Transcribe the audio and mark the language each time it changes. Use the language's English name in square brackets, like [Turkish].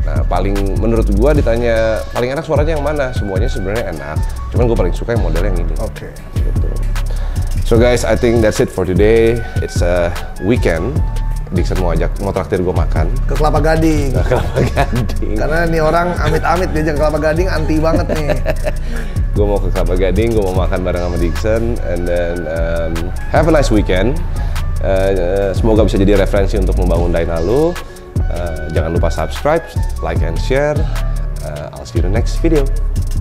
[Indonesian] Nah, paling menurut gua ditanya paling enak suaranya yang mana? Semuanya sebenarnya enak, cuman gua paling suka yang model yang ini. Oke. Okay. Gitu. [English] So guys, I think that's it for today. It's a weekend. [Indonesian] Dixon mau traktir gue makan ke Kelapa Gading. Ke Kelapa Gading. Karena nih orang amit-amit diajak ke Kelapa Gading anti banget nih. Gue mau ke Kelapa Gading, gue mau makan bareng sama Dixon, [English] and then have a nice weekend. [Indonesian] Semoga bisa jadi referensi untuk membangun Dyna lu. Jangan lupa [English] subscribe, like, and share. I'll see you in the next video.